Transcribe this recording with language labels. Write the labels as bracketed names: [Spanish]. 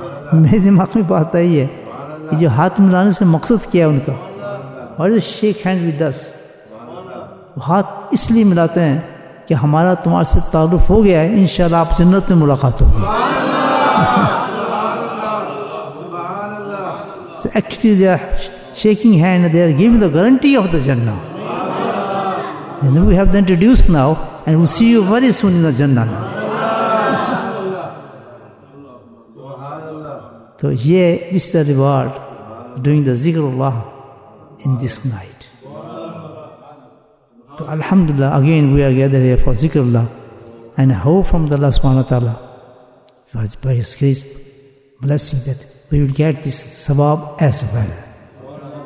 [Urdu] میرے دماغ میں بات آئی ہے کہ جو ہاتھ ملانے سے مقصد کیا ان کا. [English] Why do they shake hands with us? [Urdu] ہاتھ اس لیے ملاتے ہیں کہ ہمارا تمہارے سے تعارف ہو گیا ہے, انشاءاللہ آپ جنت میں ملاقات ہوگی. [English] Actually they are shaking hand, they are giving the guarantee of the jannat. We have then introduce now and we see you very soon in the jannat. تو یہ this the reward doing the zikr Allah in this night. So alhamdulillah, again we are gathered here for zikrullah, and I hope from the Allah subhanahu wa ta'ala, by His grace, blessing, that we will get this sabab as well.